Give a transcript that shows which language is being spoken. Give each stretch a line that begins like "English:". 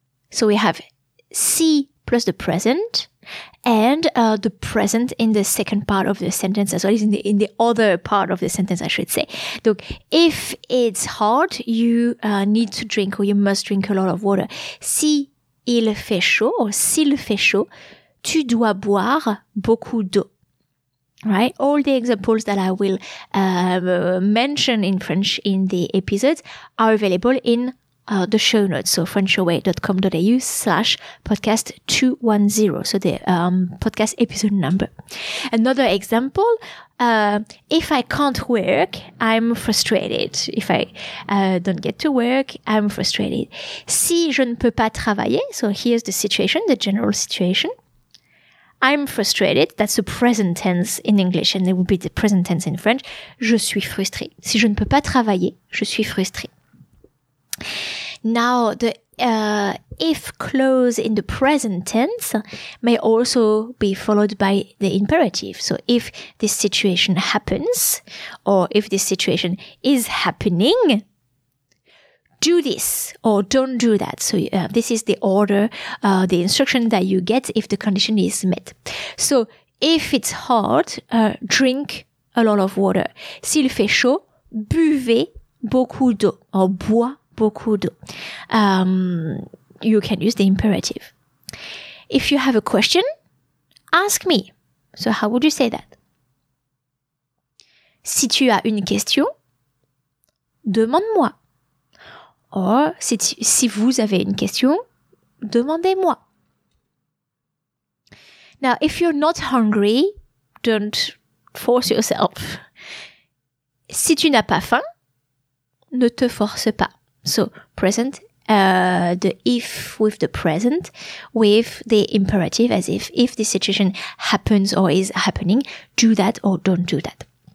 English: So we have C plus the present, and the present in the second part of the sentence as well, is in the other part of the sentence, I should say. Look, if it's hot, you need to drink, or you must drink, a lot of water.
French: Si il fait chaud, or s'il fait chaud, tu dois boire beaucoup d'eau.
English: Right? All the examples that I will mention in French in the episodes are available in the show notes, so frenchaway.com.au/podcast210, so the podcast episode number. Another example, if I can't work, I'm frustrated. If I don't get to work, I'm frustrated.
French: Si je ne peux pas travailler,
English: so here's the situation, the general situation. I'm frustrated, that's the present tense in English, and it would be the present tense in French.
French: Je suis frustré. Si je ne peux pas travailler, je suis frustré.
English: Now, the if clause in the present tense may also be followed by the imperative. So if this situation happens, or if this situation is happening, do this or don't do that. So this is the order, the instruction that you get if the condition is met. So if it's hot, drink a lot of water.
French: S'il fait chaud, buvez beaucoup d'eau, or bois beaucoup d'eau.
English: You can use the imperative. If you have a question, ask me. So how would you say that?
French: Si tu as une question, demande-moi. Or si vous avez une question, demandez-moi.
English: Now, if you're not hungry, don't force yourself.
French: Si tu n'as pas faim, ne te force pas.
English: So, present, the if with the present, with the imperative, as if the situation happens or is happening, do that or don't do that.